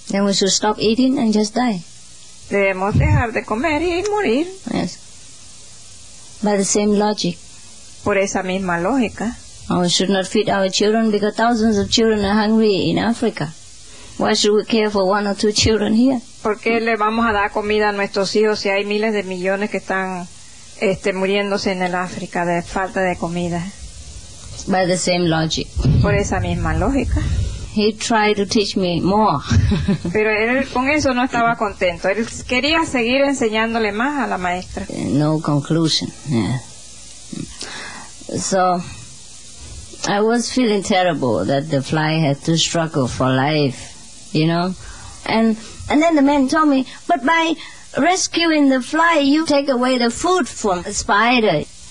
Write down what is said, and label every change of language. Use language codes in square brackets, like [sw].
[en] Then we should stop eating and just die. [es] Debemos dejar de comer y morir. [en] Yes. By the same logic. [es] Por esa misma lógica. [en] And we should not feed our children because thousands of children are hungry in Africa. Why should we care for one or two children here? [es] ¿Por qué le vamos a dar comida a nuestros hijos si hay miles de millones que están muriéndose en el África de falta de comida? [en] By the same logic. [es] Por esa misma lógica. [en] He tried to teach me more. [es] Pero él con eso no estaba contento. Él quería seguir enseñándole más a la maestra. [en] No conclusion. Yeah. So I was feeling terrible that the fly had to struggle for life, you know? And then the man told me, but by rescuing the fly, you take away the food from the spider.